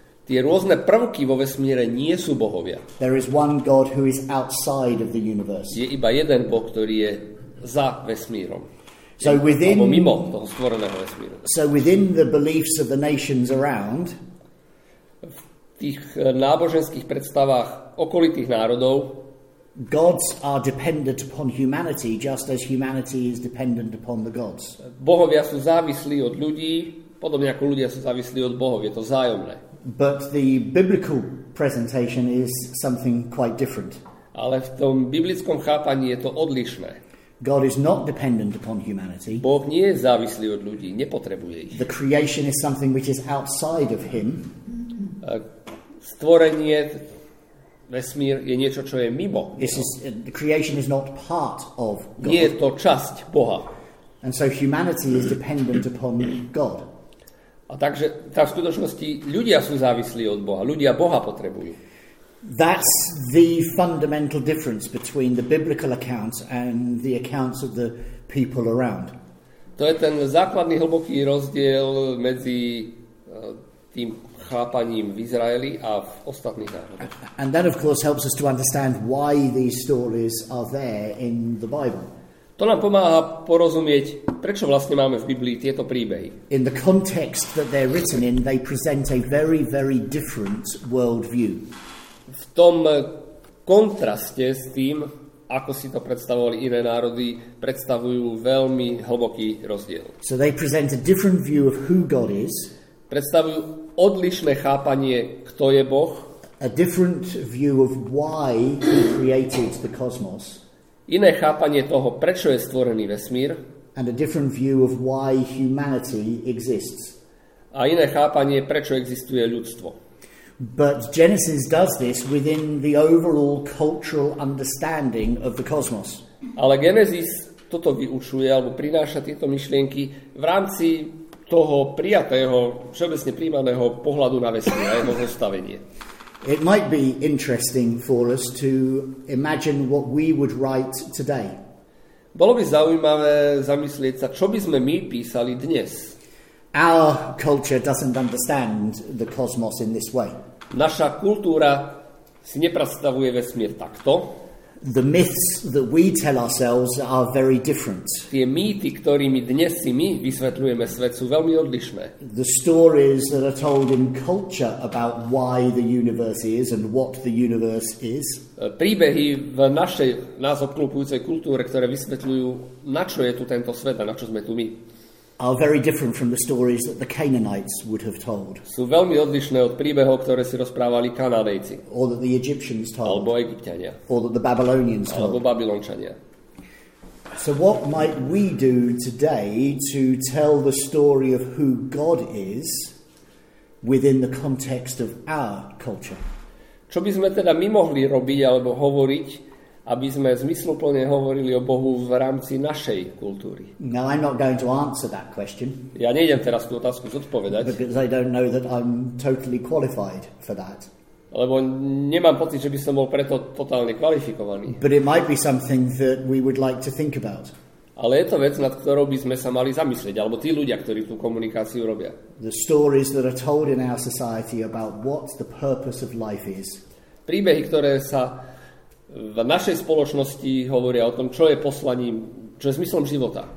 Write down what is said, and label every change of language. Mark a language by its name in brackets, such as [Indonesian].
[Slovak] Tie rôzne prvky vo vesmíre nie sú bohovia. [English] There is one God who is outside of the universe. [Slovak] Je iba jeden Boh, ktorý je za vesmírom. [English] So within, [Slovak] alebo mimo toho stvoreného vesmíru. [English] So within the beliefs of the nations around, [Slovak] v tých náboženských predstavách okolitých národov, [English] gods are dependent upon humanity, just as humanity is dependent upon the gods. [Slovak] Bohovia sú závislí od ľudí, podobne ako ľudia sú závislí od bohov, je to vzájomné. [English] But the biblical presentation is something quite different. [Slovak] Ale v tom biblickom chápaní je to odlišné. [English] God is not dependent upon humanity. [Slovak] Boh nie je závislý od ľudí, nepotrebuje ich. [English] The creation is something which is outside of him. [Slovak] Stvorenie, vesmír je niečo, čo je mimo. [English] The creation is not part of God. [Slovak] Nie je to časť Boha. [English] And so humanity is dependent upon God. [Slovak] A takže v skutočnosti ľudia sú závislí od Boha. Ľudia Boha potrebujú. [English] That's the fundamental difference between the biblical accounts and the accounts of the people around. [Slovak] To je ten základný hlboký rozdiel medzi tým chápaním v Izraeli a v ostatných národoch. [English] And that of course helps us to understand why these stories are there in the Bible. [Slovak] To nám pomáha porozumieť, prečo vlastne máme v Biblii tieto príbehy. [English] In the context that they're written in, they present a very, very different world view. [Slovak] V tom kontraste s tým, ako si to predstavovali iné národy, predstavujú veľmi hlboký rozdiel. [English] So they present a different view of who God is. [Slovak] Predstavujú odlišné chápanie, kto je Boh. [English] A different view of why he created the cosmos. [Slovak] iné chápanie toho, prečo je stvorený vesmír, [English] and a different view of why humanity exists. [Slovak] A iné chápanie, prečo existuje ľudstvo. [English] But Genesis does this within the overall cultural understanding of the cosmos. [Slovak] Ale Genesis toto vyučuje alebo prináša tieto myšlienky v rámci toho prijatého, všeobecne prijímaného pohľadu na vesmír a jeho zostavenie. [English] It might be interesting for us to imagine what we would write today. [Slovak] Bolo by zaujímavé zamyslieť sa, čo by sme my písali dnes. [English] Our culture doesn't understand the cosmos in this way. [Slovak] Naša kultúra si nepredstavuje vesmír takto. [English] The myths that we tell ourselves are very different. [Slovak] Tie mýty, ktorými dnes si my vysvetľujeme svet, sú veľmi odlišné. [English] The stories that are told in culture about why the universe is and what the universe is. [Slovak] Príbehy v našej nás obklopujúcej kultúre, ktoré vysvetľujú, na čo je tu tento svet a na čo sme tu my. [English] Are very different from the stories that the Canaanites would have told. [Slovak] Sú veľmi odlišné od príbehov, ktoré si rozprávali Kanadejci. [English] Or that the Egyptians told. [Slovak] Alebo Egyptiania. [English] Or that the Babylonians told. [Slovak] Alebo Babylončania. [English] So what might we do today to tell the story of who God is within the context of our culture? [Slovak] Čo by sme teda my mohli robiť alebo hovoriť, aby sme zmysluplne hovorili o Bohu v rámci našej kultúry? [English] Now, I'm not going to answer that question. [Slovak] Ja nejdem teraz tú otázku zodpovedať. [English] Because I don't know that I'm totally qualified for that. [Slovak] Lebo nemám pocit, že by som bol preto totálne kvalifikovaný. [English] But it might be something that we would like to think about. [Slovak] Ale je to vec, nad ktorou by sme sa mali zamyslieť, alebo tí ľudia, ktorí tú komunikáciu robia. [English] The stories that are told in our society about what the purpose of life is. [Slovak] Príbehy, ktoré sa v našej spoločnosti hovoria o tom, čo je poslaním, čo je zmyslom života.